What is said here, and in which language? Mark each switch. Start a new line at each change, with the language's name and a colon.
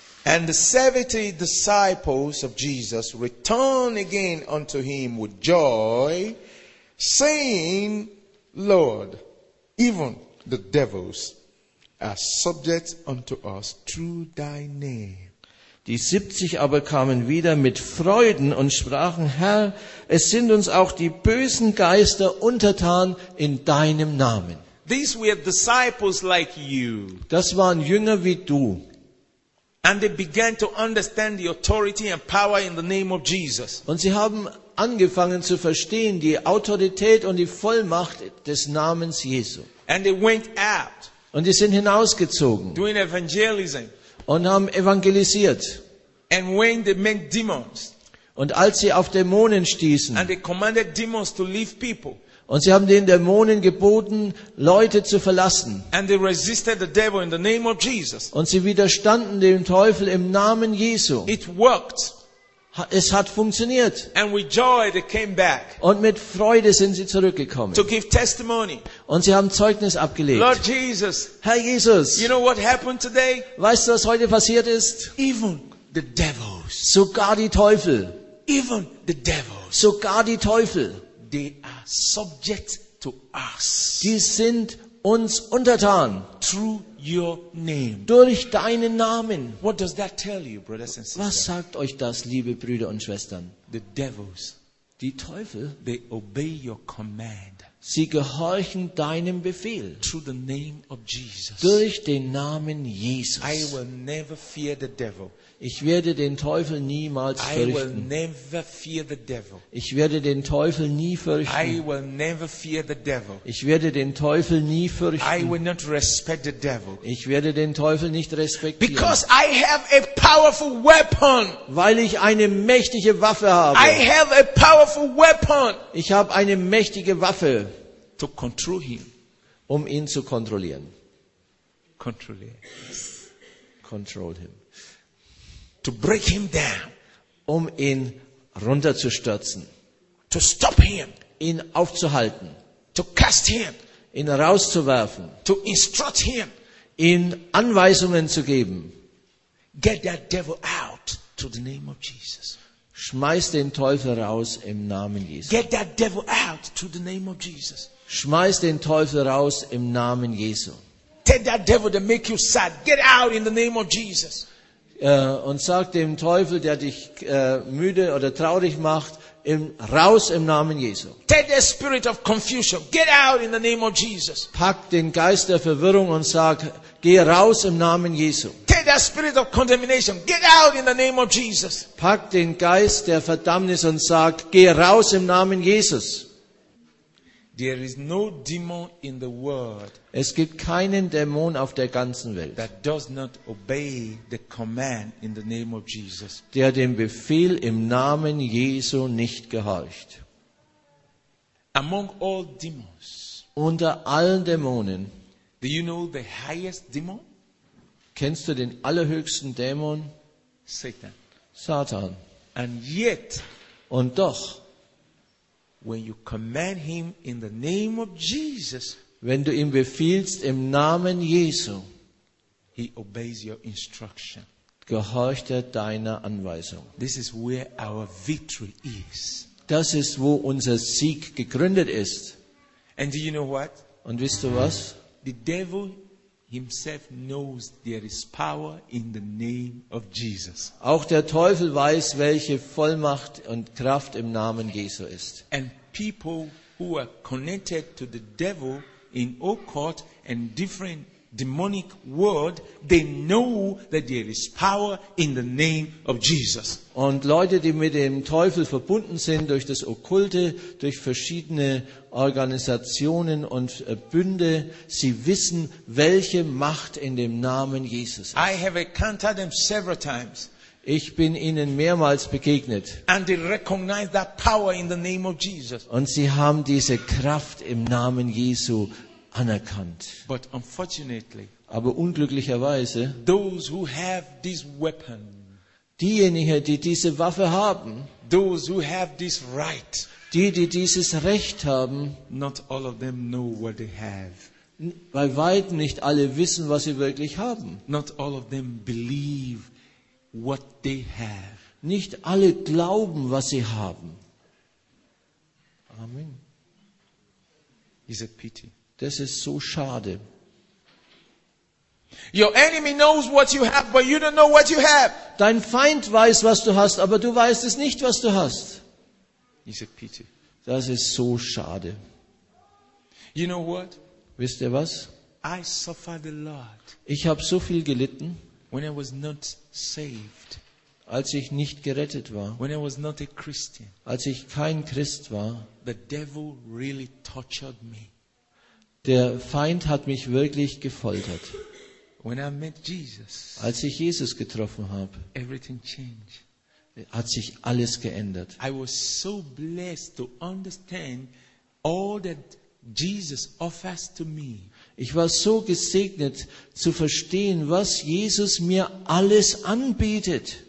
English: And the 70 disciples of Jesus returned again unto him with joy, saying, Lord, even the devils are subject unto us through thy name.
German: Die 70 aber kamen wieder mit Freuden und sprachen, Herr, es sind uns auch die bösen Geister untertan in deinem Namen.
English: These were disciples like you.
German: Das waren Jünger wie du.
English: And they began to understand the authority and power in the name of Jesus.
German: Und sie haben angefangen zu verstehen die Autorität und die Vollmacht des Namens Jesu.
English: And they went out.
German: Und sie sind hinausgezogen.
English: Doing evangelism.
German: Und haben evangelisiert.
English: And when they met demons,
German: und als sie auf Dämonen stießen,
English: and they commanded demons to leave people,
German: und sie haben den Dämonen geboten, Leute zu verlassen,
English: and they resisted the devil in the name of Jesus,
German: und sie widerstanden dem Teufel im Namen Jesu.
English: It worked.
German: Es hat funktioniert.
English: And with joy they came back.
German: Und mit Freude sind sie zurückgekommen.
English: To give testimony.
German: Und sie haben Zeugnis abgelegt.
English: Lord Jesus,
German: Herr Jesus,
English: you know what happened today?
German: Weißt du, was heute passiert ist?
English: Even the devils,
German: sogar die Teufel.
English: Even the devils,
German: sogar die Teufel.
English: They are subject to us.
German: Die sind uns untertan.
English: Through your name.
German: Durch deinen Namen.
English: What does that tell you, brothers and sisters?
German: Was sagt euch das, liebe Brüder und Schwestern?
English: The devils,
German: die Teufel,
English: they obey your command.
German: Sie gehorchen deinem Befehl.
English: Through the name of Jesus.
German: Durch den Namen Jesus.
English: I will never fear the devil.
German: Ich werde den Teufel niemals fürchten.
English: I will never fear the devil.
German: Ich werde den Teufel nie fürchten.
English: I will never fear the devil.
German: Ich werde den Teufel nie fürchten.
English: I will not respect the devil.
German: Ich werde den Teufel nicht respektieren.
English: Because I have a powerful weapon.
German: Weil ich eine mächtige Waffe habe.
English: I have a powerful weapon.
German: Ich habe eine mächtige Waffe.
English: To control him.
German: Um ihn zu kontrollieren. Kontrollieren.
English: Control him. To break him down,
German: um ihn runterzustürzen,
English: to stop him,
German: ihn aufzuhalten,
English: to cast him,
German: ihn rauszuwerfen,
English: to instruct him,
German: ihn Anweisungen zu geben.
English: Get that devil out through the name of Jesus.
German: Schmeiß den Teufel raus im Namen Jesu.
English: Get that devil out through the name of Jesus.
German: Schmeiß den Teufel raus im Namen Jesu.
English: Tell that devil to make you sad. Get out in the name of Jesus.
German: Und sag dem Teufel, der dich müde oder traurig macht, raus im Namen Jesu.
English: Take the spirit of confusion. Get out in the name of Jesus.
German: Pack den Geist der Verwirrung und sag, geh raus im Namen Jesu.
English: Take the spirit of condemnation. Get out in the name of Jesus.
German: Pack den Geist der Verdammnis und sag, geh raus im Namen Jesus.
English: There is no demon in the world.
German: Es gibt keinen Dämon auf der ganzen Welt.
English: That does not obey the command in the name of Jesus.
German: Der dem Befehl im Namen Jesu nicht gehorcht.
English: Among all demons.
German: Unter allen Dämonen.
English: Do you know the highest demon?
German: Kennst du den allerhöchsten Dämon?
English: Satan.
German: Satan.
English: And yet.
German: Und doch.
English: When you command him in the name of Jesus,
German: wenn du ihm befiehlst im Namen Jesu,
English: he obeys your instruction.
German: Gehorcht er deiner Anweisung.
English: This is where our victory is.
German: Das ist, wo unser Sieg gegründet ist.
English: And do you know what?
German: Und wisst du was?
English: The devil himself knows there is power in the name of Jesus.
German: Auch der Teufel weiß, welche Vollmacht und Kraft im Namen Jesu ist.
English: And people who are connected to the devil in occult and different demonic world, they know that there is power in the name of Jesus.
German: Und Leute, die mit dem Teufel verbunden sind durch das Okkulte, durch verschiedene Organisationen und Bünde, sie wissen, welche Macht in dem Namen Jesus ist.
English: I have encountered them several times.
German: Ich bin ihnen mehrmals begegnet.
English: And they recognize that power in the name of Jesus.
German: Und sie haben diese Kraft im Namen Jesu anerkannt.
English: But unfortunately,
German: aber unglücklicherweise,
English: those who have this weapon,
German: diejenigen, die diese Waffe haben,
English: those who have this right,
German: die dieses Recht haben,
English: not all of them know what they have.
German: Bei weitem nicht alle wissen, was sie wirklich haben.
English: Not all of them believe what they have.
German: Nicht alle glauben, was sie haben.
English: Amen. It's a pity.
German: Das ist so schade.
English: Your enemy knows what you have, but you don't know what you have.
German: Dein Feind weiß, was du hast, aber du weißt es nicht, was du hast.
English: It's a pity.
German: Das ist so schade.
English: You know what?
German: Wisst ihr was?
English: I suffered a lot.
German: Ich habe so viel gelitten.
English: When I was not saved.
German: Als ich nicht gerettet war.
English: When I was not a Christian.
German: Als ich kein Christ war.
English: The devil really tortured me.
German: Der Feind hat mich wirklich gefoltert.
English: When I met Jesus,
German: als ich Jesus getroffen habe,
English: everything changed.
German: Hat sich alles geändert.
English: I was so blessed to understand all that Jesus offers to me.
German: Ich war so gesegnet zu verstehen, was Jesus mir alles anbietet.